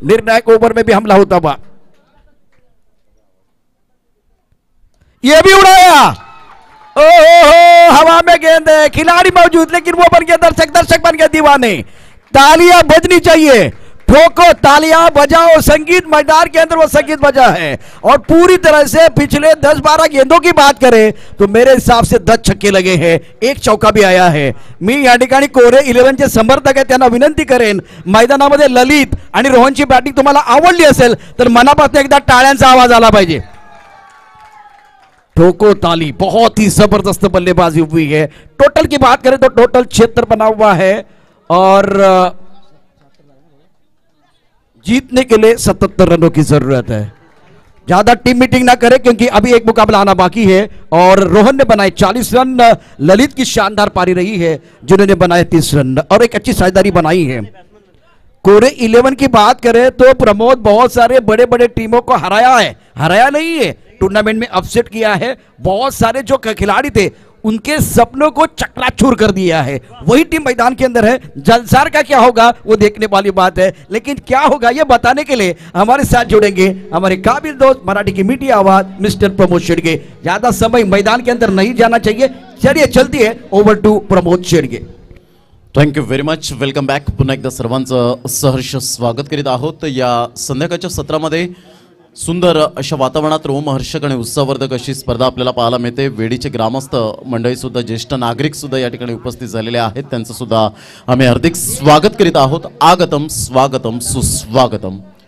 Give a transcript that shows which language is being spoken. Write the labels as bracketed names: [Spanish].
[Hindi] निर्णायक ओवर में भी हमला होता हुआ, ये भी उड़ाया, ओ हवा में गेंद है, खिलाड़ी मौजूद लेकिन वो बन गया दर्शक, दर्शक बन गया दीवाने, तालियां बजनी चाहिए, ठोको तालियां बजाओ, संगीत मैदान के अंदर वो संगीत बजा है, और पूरी तरह से पिछले 10-12 गेंदों की बात करें तो मेरे हिसाब से 10 छक्के लगे हैं, एक चौका भी आया है। [Marathi] मी या ठिकाणी कोरे 11 चे समर्थक आहे त्यांना विनंती करेन, मैदानामध्ये ललित आणि रोहनची बॅटिंग तुम्हाला आवडली असेल तर मनापासून एकदा टाळ्यांचा आवाज आला पाहिजे, [Hindi] ठोको ताली, बहुत ही जबरदस्त बल्लेबाजी हुई है। टोटल की बात करें तो टोटल 76 बना हुआ है और जीतने के लिए 77 रनों की जरूरत है, ज्यादा टीम मीटिंग ना करें क्योंकि अभी एक मुकाबला आना बाकी है, और रोहन ने बनाए 40 रन, ललित की शानदार पारी रही है जिन्होंने बनाए 30 रन और एक अच्छी साझेदारी बनाई है। कोरे 11 की बात करें तो प्रमोद बहुत सारे बड़े बड़े टीमों को हराया है, हराया नहीं है, टूर्नामेंट में अपसेट किया है, बहुत सारे जो खिलाड़ी थे उनके सपनों को चकनाचूर कर दिया है, वही टीम मैदान के अंदर है, जलसार का क्या होगा वो देखने वाली बात है, लेकिन क्या होगा ये बताने के लिए हमारे साथ जुड़ेंगे हमारे काबिल दोस्त मराठी की मीठी आवाज मिस्टर प्रमोद शेडगे। ज्यादा समय मैदान के अंदर नहीं जाना चाहिए, चलिए चलती है over to Pramod Shedge. [English] thank you very much, welcome back, [Marathi] पुनः एकदा सर्वांचं सहर्ष स्वागत करीत आहोत या संध्याकाळच्या सत्रामध्ये। सुंदर अशा वातावरणात रोमहर्षक आणि उत्साहवर्धक अशी स्पर्धा आपल्याला पाहायला मिळते, वेडीचे ग्रामस्थ मंडळी सुद्धा ज्येष्ठ नागरिक सुद्धा या ठिकाणी उपस्थित झालेले आहेत, त्यांचं सुद्धा आम्ही हार्दिक स्वागत करीत आहोत, आगतम स्वागतम सुस्वागतम।